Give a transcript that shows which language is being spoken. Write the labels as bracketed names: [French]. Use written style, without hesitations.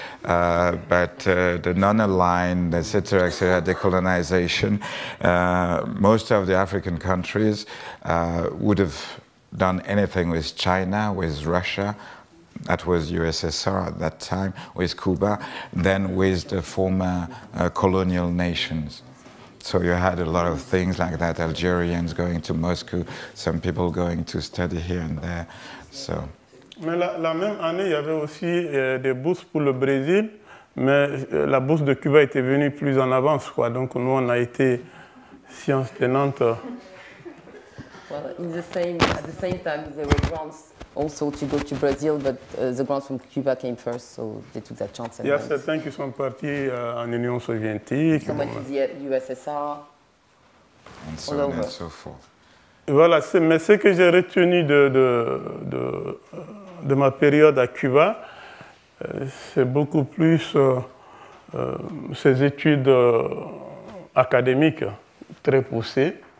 [English] But the non-aligned, etc., etc., decolonization, most of the African countries would have done anything with China, with Russia, that was USSR at that time, with Cuba, then with the former colonial nations. So you had a lot of things like that, Algerians going to Moscow, some people going to study here and there, so. [French] Mais la même année, il y avait aussi des bourses pour le Brésil, mais la bourse de Cuba était venue plus en avance, quoi. Donc nous, on a été sciences tenantes. [English] Well, at the same time, there were grants also to go to Brazil, but the grants from Cuba came first, so they took that chance. [French] Il y a certains qui sont partis en Union soviétique. [English] Some went to the USSR, and so on and so forth. [French] Voilà, mais ce que j'ai retenu de ma période à Cuba, c'est beaucoup plus ces études académiques très poussées.